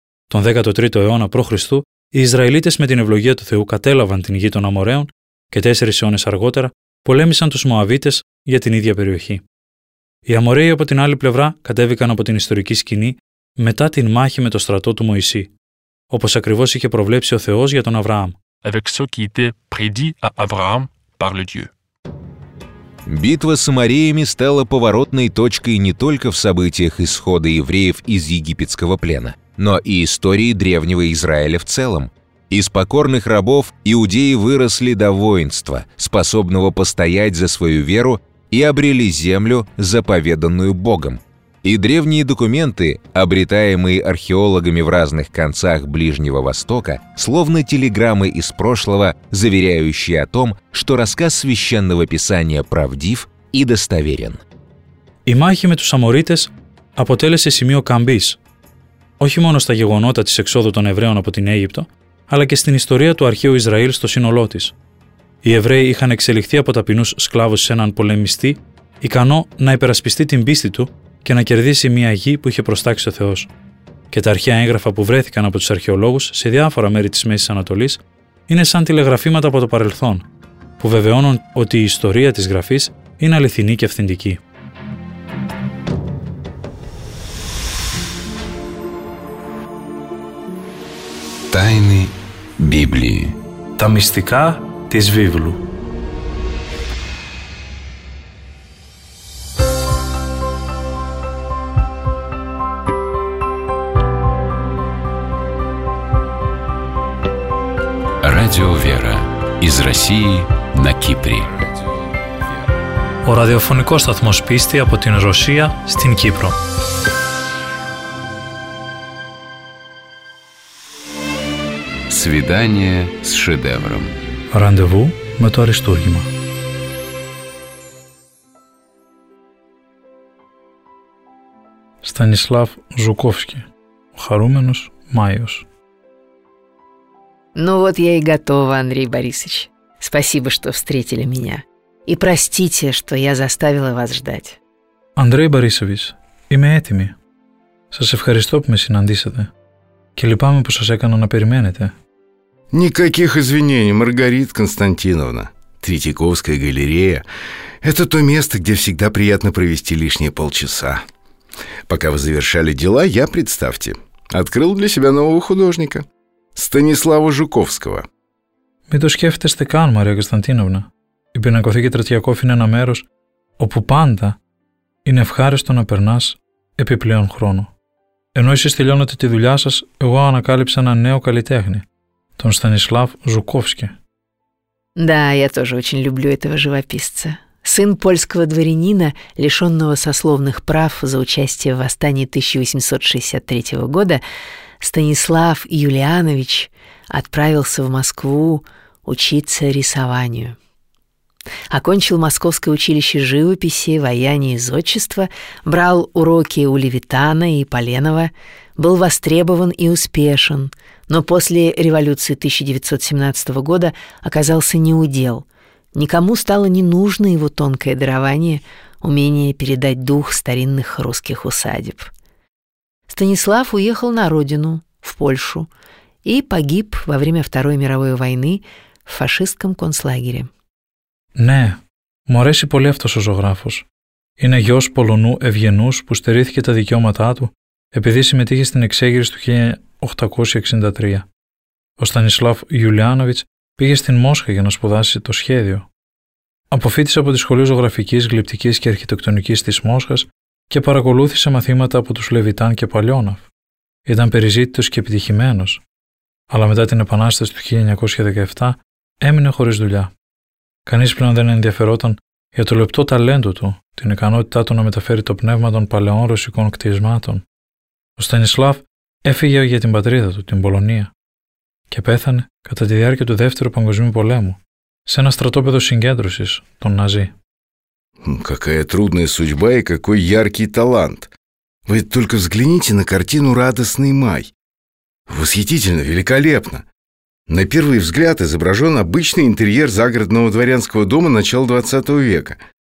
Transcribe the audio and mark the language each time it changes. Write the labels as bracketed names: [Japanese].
[Greek] Τον 13ο αιώνα π.Χ., οι Ισραηλίτες με την ευλογία του Θεού κατέλαβαν την γη των Αμοραίων και 4 αιώνες αργότερα πολέμησαν τους Μωαβίτες για την ίδια περιοχή. Οι Αμοραίοι από την άλλη πλευρά κατέβηκαν από την ιστορική σκηνή μετά την μάχη με το στρατό του Μωυσή. Όπως ακριβώς είχε προβλέψει ο Θεός για τον Αβραάμ. [French] Avec ce qui était prédit à Abraham par le Dieu. [Russian] Битва с амореями стала поворотной точкой не только в событиях исхода евреев из египетского плена, но и истории древнего Израиля в целом. Из покорных рабов иудеи выросли до воинства, способного постоять за свою веру, и обрели землю, заповеданную Богом. И древние документы, обретаемые археологами в разных концах Ближнего Востока, словно телеграммы из прошлого, заверяющие о том, что рассказ Священного Писания правдив и достоверен. [Greek] Η μάχη με τους Αμορίτες αποτέλεσε σημείο καμπής, όχι μόνο στα γεγονότα της εξόδου των Εβραίων από την Αίγυπτο, αλλά και στην ιστορία του αρχαίου Ισραήλ στο σύνολό της. Οι Εβραίοι είχαν εξελιχθεί από ταπεινούς σκλάβους σε έναν πολεμιστή, ικανό να υπερασπιστεί την πίστη του και να κερδίσει μια γη που είχε προστάξει ο Θεός. Και τα αρχαία έγγραφα που βρέθηκαν από τους αρχαιολόγους σε διάφορα μέρη της Μέσης Ανατολής είναι σαν τηλεγραφήματα από το παρελθόν, που βεβαιώνουν ότι η ιστορία της γραφής είναι αληθινή και αυθεντική. Τάινη Βίβλη. Τα μυστικά της Βίβλου. «Αν [Russian] Радио Вера из России на Кипре. [Greek] Ο ραδιοφωνικός σταθμός Πίστη από την Ρωσία στην Κύπρο. [Russian] Свидание с шедевром. [Greek] Ραντεβού με το αριστούργημα. Στανισλάβ Ζουκόφσκι. Ο χαρούμενος Μάιος. [Russian] Ну вот я и готова, Андрей Борисович. Спасибо, что встретили меня. И простите, что я заставила вас ждать. [Greek] Андрей Борисович, είμαι έτοιμη. Σας ευχαριστώ που με συναντήσατε. Και λυπάμαι που σας έκανα να περιμένετε. [Russian] Никаких извинений, Маргарита Константиновна. Третьяковская галерея – это то место, где всегда приятно провести лишние полчаса. Пока вы завершали дела, я, представьте, открыл для себя нового художника – Станислава Жуковского. [Greek] Мы то скефтесте кан, Мария Константиновна. Η Πινακοθήκη Τρετιακόφ είναι ένα μέρος όπου πάντα είναι ευχάριστο να περνάς επιπλέον χρόνο. Ενώ εσείς τελειώνετε τη δουλειά σας, εγώ ανακάλυψα ένα νέο καλλιτέχνη, τον Στανισλάβ Ζουκόφσκι. [Russian] Да, я тоже очень люблю этого живописца. Сын польского дворянина, лишённого сословных прав за участие в восстании 1863 года, Станислав Юлианович отправился в Москву учиться рисованию. Окончил Московское училище живописи, ваяния и зодчества, брал уроки у Левитана и Поленова, был востребован и успешен, но после революции 1917 года оказался неудел. Никому стало не нужно его тонкое дарование, умение передать дух старинных русских усадеб. Станислав уехал на родину, в Польшу, и погиб во время Второй мировой войны в фашистском концлагере. [Greek] Ναι, μου αρέσει πολύ αυτός ο ζωγράφος. Είναι γιος Πολωνού Ευγενούς που στερήθηκε τα δικαιώματά του επειδή συμμετείχε στην εξέγερση του 1863. Ο Στανισλάβ Γιουλιάνοβιτς πήγε στην Μόσχα για να σπουδάσει το σχέδιο. Αποφύτησε από τη Σχολή Ζωγραφικής, Γλυπτικής και Αρχιτεκτονικής της Μόσχας και παρακολούθησε μαθήματα από τους Λεβιτάν και Παλιώναφ. Ήταν περιζήτητος και επιτυχημένος. Αλλά μετά την Επανάσταση του 1917 έμεινε χωρίς δουλειά. Κανείς πλέον δεν ενδιαφερόταν για το λεπτό ταλέντο του, την ικανότητά του να μεταφέρει το πνεύμα των παλαιών ρωσικών κτισμάτων. Ο Στανισλάβ έφυγε για την πατρίδα του, την Πολωνία, και πέθανε κατά τη διάρκεια του Δεύτερου Παγκοσμίου Πολέμου, σε ένα στρατόπεδο συγκέντρωσης των Ναζί. [Russian] Какая трудная судьба и какой яркий талант. Вы только взгляните на картину «Радостный май». Восхитительно, великолепно. На первый взгляд изображен обычный интерьер загородного дворянского дома начала 20 века.